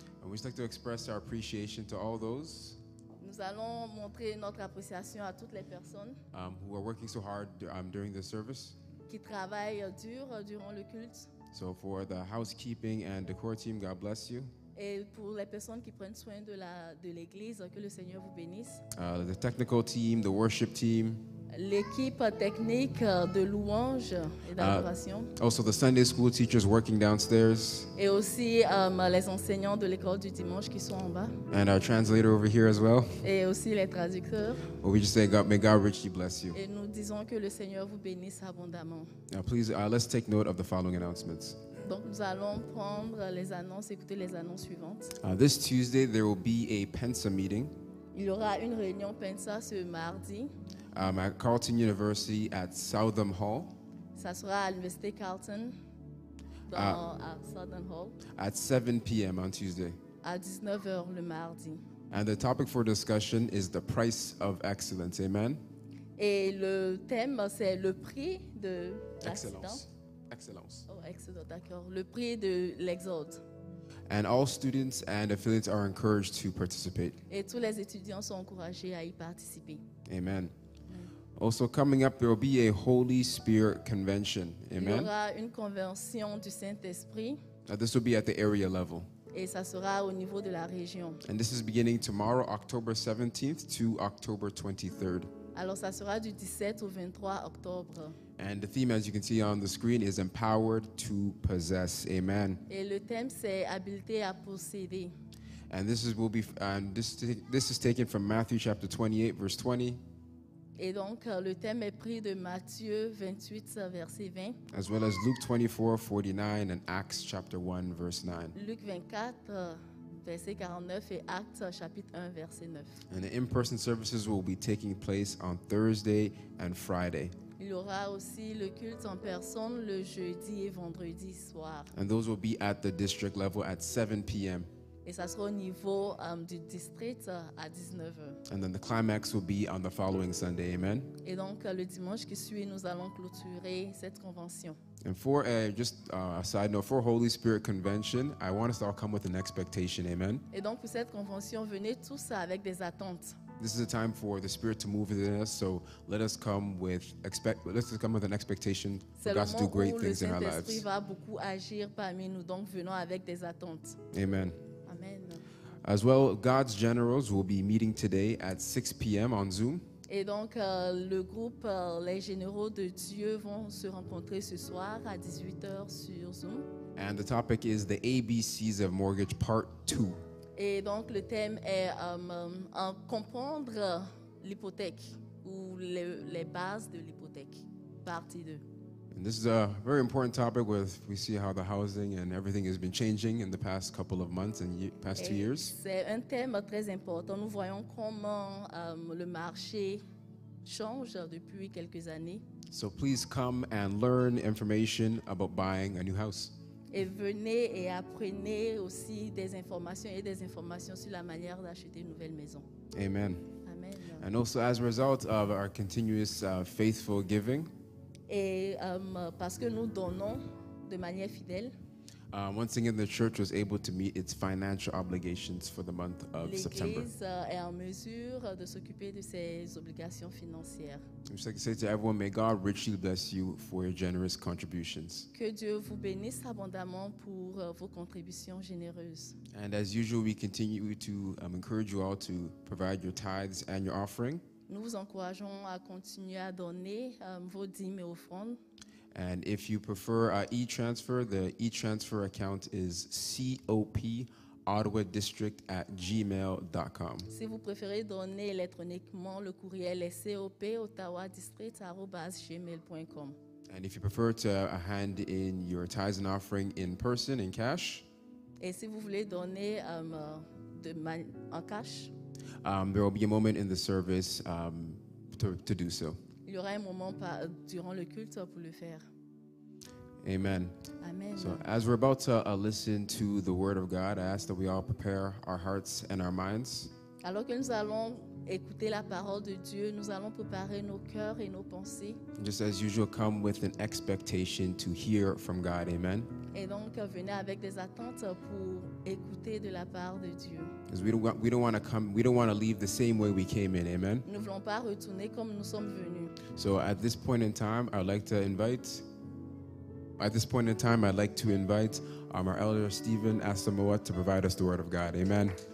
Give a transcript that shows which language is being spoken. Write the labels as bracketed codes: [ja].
[en] And we'd like to express our appreciation to all those. [fr] Nous allons montrer notre appréciation à toutes les personnes [en] who are working so hard during the service. [fr] Qui travaillent dur durant le culte. [en] So for the housekeeping and decor team, God bless you. [fr] Et pour les personnes qui prennent soin de l'église, que le Seigneur vous bénisse. [en] The technical team, the worship team. [fr] L'équipe technique de louange et d'adoration. [en] Also the Sunday school teachers working downstairs. [fr] Et aussi les enseignants de l'école du dimanche qui sont en bas. [en] And our translator over here as well. [fr] Et aussi les traducteurs. [en] Well, we just say God, may God richly bless you. [fr] Et nous disons que le Seigneur vous bénisse abondamment. [en] Now please, let's take note of the following announcements. [fr] Donc nous allons prendre les annonces, écouter les annonces suivantes. [en] This Tuesday there will be a Pensa meeting. [fr] Il y aura une réunion Pensa ce mardi. [en] At Carleton University at Southam Hall. [fr] Ça sera à l'Université Carleton à Southam Hall. [en] At 7 p.m. on Tuesday. [fr] À 19h le mardi. [en] And the topic for discussion is the price of excellence. Amen. [fr] Et le thème c'est le prix de l'excellence. Excellence. Oh, excellent, d'accord. Le prix de l'exode. [en] And all students and affiliates are encouraged to participate. [fr] Et tous les étudiants sont encouragés à y participer. Amen. [en] Also coming up, there will be a Holy Spirit convention. Amen. [fr] Il y aura une convention du Saint-Esprit. [en] This will be at the area level. [fr] Et ça sera au niveau de la région. [en] And this is beginning tomorrow, October 17th to October 23rd. [fr] Alors ça sera du 17 au 23 octobre. [en] And the theme, as you can see on the screen, is empowered to possess. Amen. [fr] Et le thème, c'est habilité à posséder. [en] And this is will be and this is taken from Matthew chapter 28 verse 20. [fr] Et donc le thème est pris de Matthieu 28 verset 20. [en] As well as Luke 24:49 and Acts chapter 1 verse 9. [fr] Luc 24 verset 49 et Actes chapitre 1 verset 9. [en] And the in-person services will be taking place on Thursday and Friday. [fr] Il y aura aussi le culte en personne le jeudi et vendredi soir. [en] And those will be at the district level at 7 p.m. [fr] Et ça sera au niveau du district à 19h. [en] And then the climax will be on the following Sunday. Amen. [fr] Et donc le dimanche qui suit, nous allons clôturer cette convention. [en] And for a side note, for Holy Spirit Convention, I want us to all come with an expectation. Amen. [fr] Et donc pour cette convention, venez tous avec des attentes. [en] This is a time for the Spirit to move within us, so let us come with an expectation for God to do great things in our lives. [fr] C'est le moment où le Saint-Esprit va beaucoup agir parmi nous, donc venons avec des attentes. [en] Amen. As well, God's Generals will be meeting today at 6 p.m. on Zoom. [fr] Et donc le groupe les généraux de Dieu vont se rencontrer ce soir à 18h sur Zoom. [en] And the topic is the ABCs of Mortgage Part 2. [fr] Et donc le thème est comprendre l'hypothèque ou les bases de l'hypothèque, partie 2. [en] And this is a very important topic with we see how the housing and everything has been changing in the past couple of months and past 2 years. [fr] C'est un thème très important. Nous voyons comment le marché change depuis quelques années. [en] So please come and learn information about buying a new house. [fr] Et venez et apprenez aussi des informations sur la manière d'acheter une nouvelle maison. Amen. Amen. [en] And also as a result of our continuous faithful giving. [fr] Et parce que nous donnons de manière fidèle. [en] Once again, the church was able to meet its financial obligations for the month of September. [fr] L'Église est en mesure de s'occuper de ses obligations financières. [en] I'd like to say to everyone, may God richly bless you for your generous contributions. [fr] Que Dieu vous bénisse abondamment pour vos contributions généreuses. [en] And as usual, we continue to encourage you all to provide your tithes and your offering. [fr] Nous vous encourageons à continuer à donner vos dîmes et offrandes. [en] And if you prefer e-transfer, the e-transfer account is copottawadistrict@gmail.com. [fr] Si vous préférez donner électroniquement, le courriel est copottawadistrict@gmail.com. [en] And if you prefer to hand in your tithes and offering in person, in cash. [fr] Et si vous voulez donner en cash. [en] There will be a moment in the service to do so. [fr] Il y aura un moment durant le culte pour le faire. Amen. Amen. [en] So as we're about to listen to the word of God, I ask that we all prepare our hearts and our minds. [fr] Alors que nous allons écouter la parole de Dieu, nous allons préparer nos cœurs et nos pensées. [en] Just as usual, come with an expectation to hear from God. Amen. [fr] Et donc venez avec des attentes pour écouter de la part de Dieu. [en] Because we don't want to leave the same way we came in. Amen. [fr] Nous voulons pas retourner comme nous sommes venus. [en] So at this point in time, I'd like to invite. At this point in time, I'd like to invite our elder Stephen Asamoah to provide us the word of God. Amen.